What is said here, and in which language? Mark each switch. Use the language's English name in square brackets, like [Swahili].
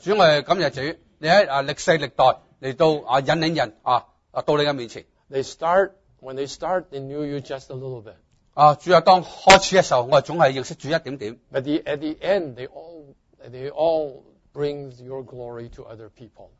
[Cantonese] 主，我哋感谢主，你喺历世历代嚟到引领人到你嘅面前。 [English] When they start, they knew you just a little bit. [Cantonese] 啊，主啊，当开始嘅时候，我总系认识主一点点。 [English] But at the end, they all bring your glory to other people.